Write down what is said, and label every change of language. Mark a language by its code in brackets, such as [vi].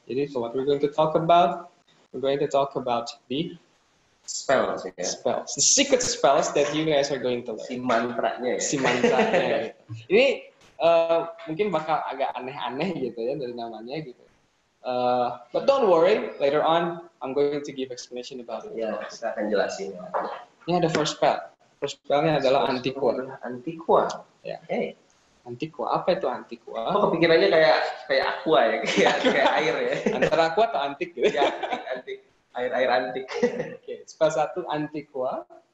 [id] Jadi, [en] so what we're going to talk about? We're going to talk about the spells. Yeah. Spells. The secret spells that you guys are going to learn. [id] Si mantranya. Ya? Si mantranya. Ini mungkin bakal agak aneh-aneh gitu ya dari namanya gitu. [en] But don't worry, later on I'm going to give explanation about it. [id] Yeah, kita akan jelasin. Ini ada [en] first spell. [id] First spellnya adalah antiqua. Antiqua. Ya. Hey. Antiqua. Apa itu antiqua? Kok kepikirannya kayak aqua ya, kayak air ya. Antara aqua atau antik gitu. Ya, antik. Air antik. Oke, okay. Spell satu antiqua.